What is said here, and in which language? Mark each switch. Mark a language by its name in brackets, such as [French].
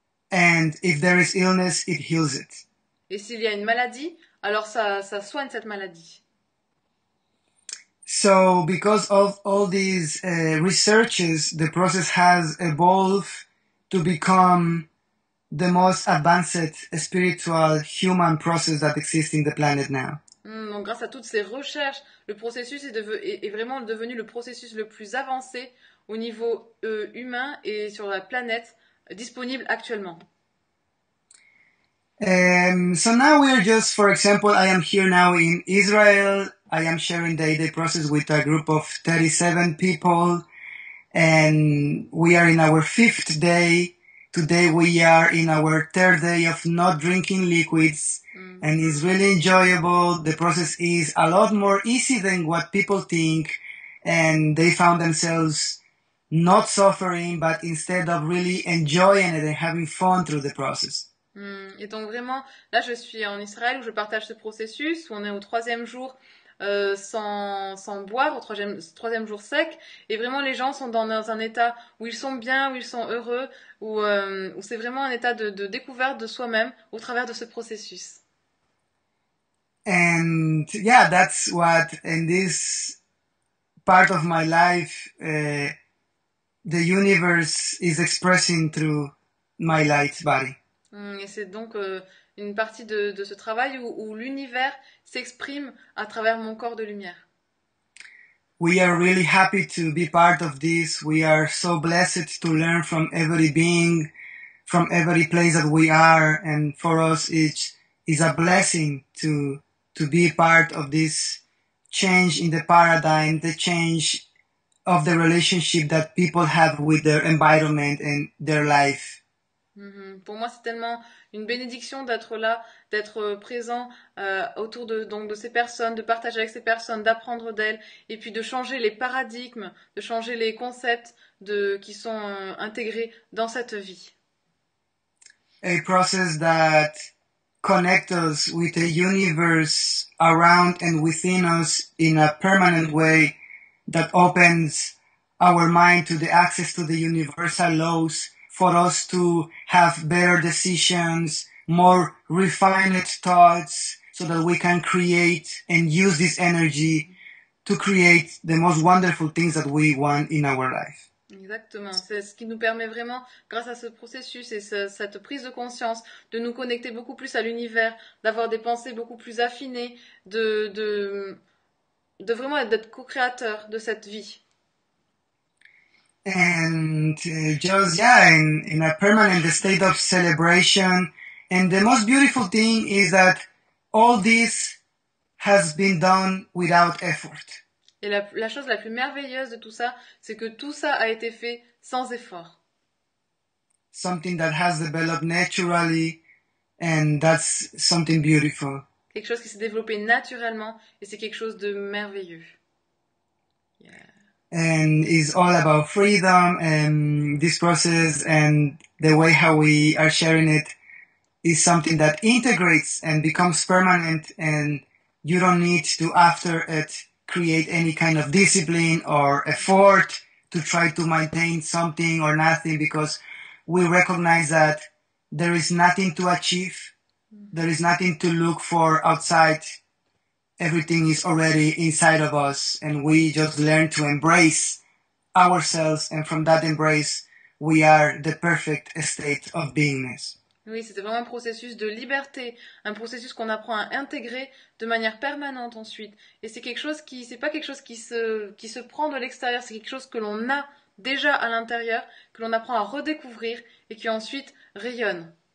[English] And if there is illness, it heals it. [French] Et s'il y a une maladie, alors ça soigne cette maladie. [English] So because of all these researches, the process has evolved to become the most advanced spiritual human process that exists in the planet now. [French] Donc grâce à toutes ces recherches, le processus est vraiment devenu le processus le plus avancé au niveau humain et sur la planète disponible actuellement. [English] So now we are just, for example, I am here now in Israel. I am sharing the process with a group of 37 people, and we are in our fifth day. Today we are in our third day of not drinking liquids, and it's really enjoyable. The process is a lot more easy than what people think, and they found themselves not suffering, but instead of really enjoying it and having fun through the process. [French] Et donc vraiment, là je suis en Israël où je partage ce processus, où on est au troisième jour sans boire, au troisième jour sec, et vraiment les gens sont dans un état où ils sont bien, où ils sont heureux, où c'est vraiment un état de découverte de soi-même au travers de ce processus. [English] And yeah, that's what in this part of my life, the universe is expressing through my light body. [French] Et c'est donc une partie de ce travail où l'univers s'exprime à travers mon corps de lumière. [English] We are really happy to be part of this. We are so blessed to learn from every being, from every place that we are. And for us, it is a blessing to be part of this change in the paradigm, the change of the relationship that people have with their environment and their life. [French] Pour moi, c'est tellement une bénédiction d'être là, d'être présent autour donc de ces personnes, de partager avec ces personnes, d'apprendre d'elles, et puis de changer les paradigmes, de changer les concepts qui sont intégrés dans cette vie. [English] A process that connect us with the universe around and within us in a permanent way that opens our mind to the access to the universal laws for us to have better decisions, more refined thoughts, so that we can create and use this energy to create the most wonderful things that we want in our life. [French] Exactement, c'est ce qui nous permet vraiment, grâce à ce processus et cette prise de conscience, de nous connecter beaucoup plus à l'univers, d'avoir des pensées beaucoup plus affinées, de vraiment être co-créateur de cette vie. [English] And just, yeah, in a permanent state of celebration. And the most beautiful thing is that all this has been done without effort. [French] Et la chose la plus merveilleuse de tout ça, c'est que tout ça a été fait sans effort. [English] Something that has developed naturally, and that's something beautiful. [French] Quelque chose qui s'est développé naturellement et c'est quelque chose de merveilleux. [English] And it's all about freedom and this process and the way how we are sharing it is something that integrates and becomes permanent and you don't need to after it create any kind of discipline or effort to try to maintain something or nothing because we recognize that there is nothing to achieve. There is nothing to look for outside. Everything is already inside of us, and we just learn to embrace ourselves, and from that embrace, we are the perfect state of beingness. [French] Oui, c'était vraiment un processus de liberté, un processus qu'on apprend à intégrer de manière permanente ensuite. Et c'est quelque chose qui, c'est pas quelque chose qui se prend de l'extérieur, c'est quelque chose que l'on a déjà à l'intérieur, que l'on apprend à redécouvrir et qui ensuite rayonne.